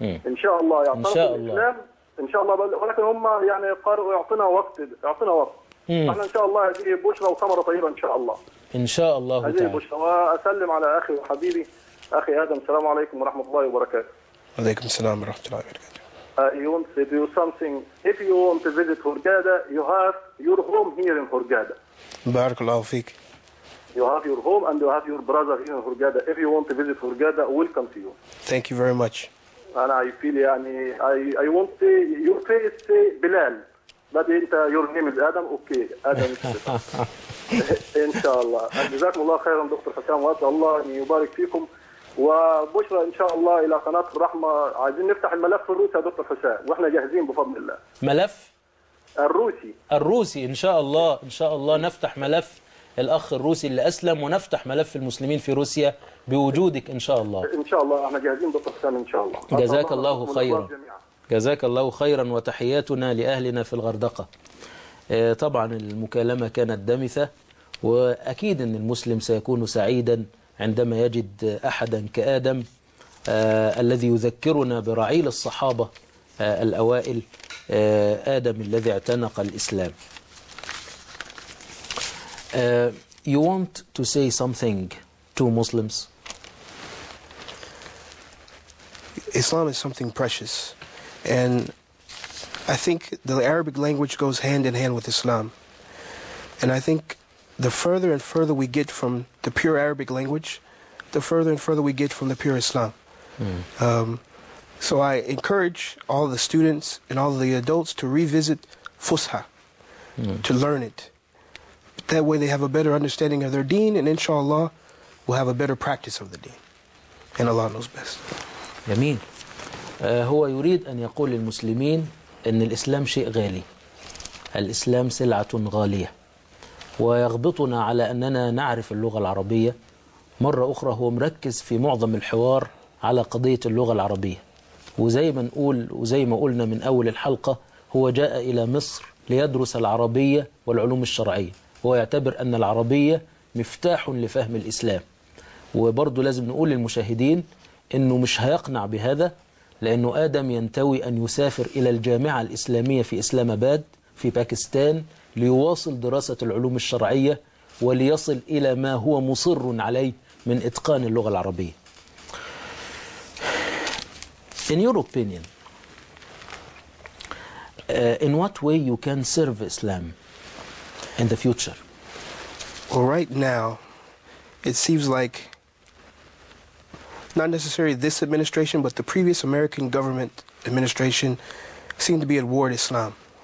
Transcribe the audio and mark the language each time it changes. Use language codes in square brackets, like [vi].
[ar] إن شاء الله يعتنق الإسلام. إن شاء الله ولكن هم يعني قرروا يعطينا وقت يعطينا وقت. إحنا إن شاء الله هذه بشرى وثمرة طيبة إن شاء الله. إن شاء الله. هذه بشرى وأسلم على أخي وحبيبي أخي آدم. السلام عليكم ورحمة الله وبركاته. عليكم السلام ورحمة الله وبركاته. [en] You want to do something? If you want to visit Hurghada, you have your home here in Hurghada. [ar] بارك الله فيك. [en] You have your home and you have your brother here in Hurghada. If you want to visit Hurghada, welcome to you. Thank you very much. And I feel [ar] يعني [en] I want to say your face say Bilal. But [ar] أنت [en] your name is Adam. [ar] Okay, Adam. إن شاء الله. جزاكم الله خيرا دكتور حسام وأسأل الله أن يبارك فيكم. وبشرى ان شاء الله الى قناه الرحمه عايزين نفتح الملف الروسي يا دكتور حسام واحنا جاهزين بفضل الله. ملف الروسي الروسي ان شاء الله ان شاء الله نفتح ملف الاخ الروسي اللي اسلم ونفتح ملف المسلمين في روسيا بوجودك ان شاء الله. ان شاء الله احنا جاهزين دكتور حسام ان شاء الله. جزاك الله خيرا جزاك الله خيرا وتحياتنا لاهلنا في الغردقه. طبعا المكالمه كانت دامثه واكيد ان المسلم سيكون سعيدا عندما يجد أحدا كآدم الذي يذكرنا برعيل الصحابة الأوائل آدم الذي اعتنق الإسلام. [en] You want to say something to Muslims? Islam is something precious and I think the Arabic language goes hand in hand with Islam and I think the further and further we get from the pure Arabic language, the further and further we get from the pure Islam. So I encourage all the students and all the adults to revisit Fusha, to learn it. That way they have a better understanding of their deen and inshallah will have a better practice of the deen. And Allah knows best. Yameen. [ar] هو يريد أن يقول للمسلمين أن الإسلام شيء غالي. الإسلام سلعة غالية. ويغبطنا على أننا نعرف اللغة العربية. مرة أخرى هو مركز في معظم الحوار على قضية اللغة العربية وزي ما نقول وزي ما قلنا من أول الحلقة هو جاء إلى مصر ليدرس العربية والعلوم الشرعية هو يعتبر أن العربية مفتاح لفهم الإسلام. وبرضو لازم نقول للمشاهدين أنه مش هيقنع بهذا لأنه آدم ينتوي أن يسافر إلى الجامعة الإسلامية في إسلام أباد في باكستان ليواصل دراسة العلوم الشرعية وليصل إلى ما هو مصر عليه من إتقان اللغة العربية. [en] In your opinion, in what way you can serve Islam in the future? Well, right now, it seems like not necessarily this administration, but the previous American government administration seemed to be at war with Islam.